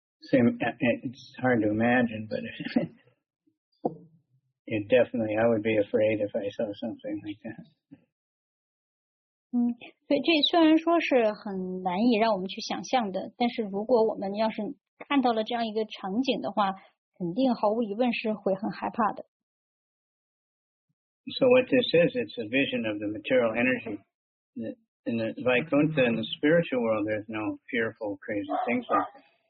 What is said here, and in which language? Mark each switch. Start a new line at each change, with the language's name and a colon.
English: It's hard to imagine, but it definitely, I would be afraid if I saw something like that.
Chinese: 所以这虽然说是很难以让我们去想象的，但是如果我们要是看到了这样一个场景的话，肯定毫无疑问是会很害怕的。
English: So what this is, it's a vision of the material energy. In the Vaikuntha, in the spiritual world, there's no fearful, crazy things like that.